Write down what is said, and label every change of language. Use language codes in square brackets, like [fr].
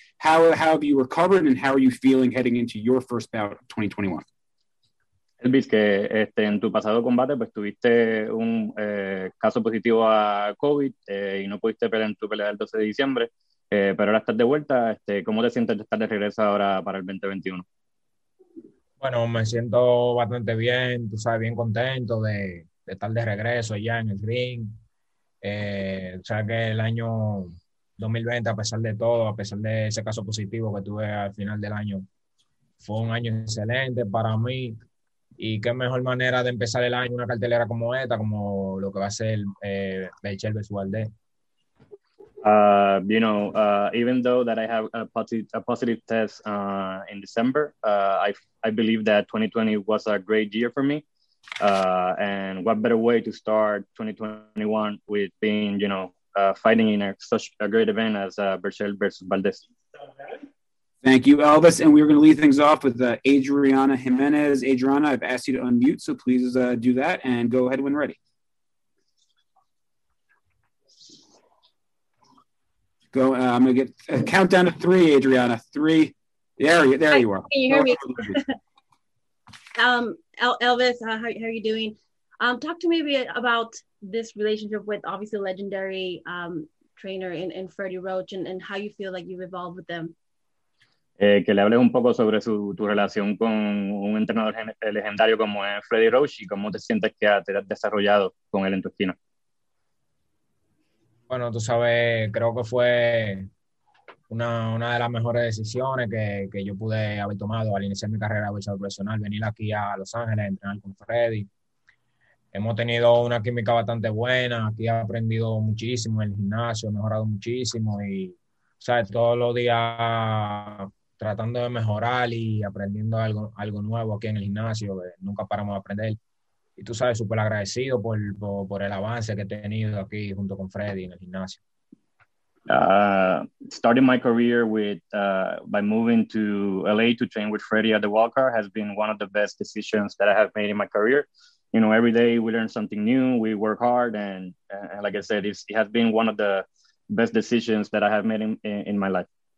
[en] How have you recovered, and how are you feeling heading into your first bout of 2021? [es] Elvis, que en tu pasado combate pues tuviste un caso positivo a COVID y no pudiste pelear en tu pelea del 12 de diciembre, pero ahora estás de vuelta. ¿Cómo te sientes de estar de regreso ahora para el 2021? Bueno, me siento bastante bien, tú sabes, bien contento de estar de regreso ya en el ring. O sea que el año 2020, a pesar de todo, a pesar de ese caso positivo que tuve al final del año, fue un año excelente para mí. Y qué mejor manera de empezar el año una cartelera como esta, como lo que va a ser Bechel versus Valdez. [en] You know, even though that I have a positive test in December, I believe that 2020 was a great year for me. And what better way to start 2021 with being, you know, fighting in such a great event as Bechel versus Valdez. Thank you, Elvis. And we're going to leave things off with Adriana Jimenez. Adriana, I've asked you to unmute, so please do that and go ahead when ready. Go. I'm going to get a countdown to three, Adriana. Three. There you are. Can you hear me? Elvis, how are you doing? Talk to me a bit about this relationship with obviously legendary trainer and Freddie Roach and how you feel like you've evolved with them. [es] Que le hables un poco sobre tu relación con un entrenador legendario como es Freddy Roach y cómo te sientes que te has desarrollado con él en tu esquina. Bueno, tú sabes, creo que fue una de las mejores decisiones que yo pude haber tomado al iniciar mi carrera de boxeador profesional, venir aquí a Los Ángeles a entrenar con Freddy. Hemos tenido una química bastante buena, aquí he aprendido muchísimo en el gimnasio, he mejorado muchísimo y, sabes, todos los días tratando de mejorar y aprendiendo algo nuevo aquí en el gimnasio, nunca paramos de aprender. Y tú sabes, súper agradecido por el avance que he tenido aquí junto con Freddy en el gimnasio. [en] Starting my career by moving to LA to train with Freddy at the Walker has been one of the best decisions that I have made in my career. You know, every day we learn something new, we work hard, and like I said, it has been one of the best decisions that I have made in my life.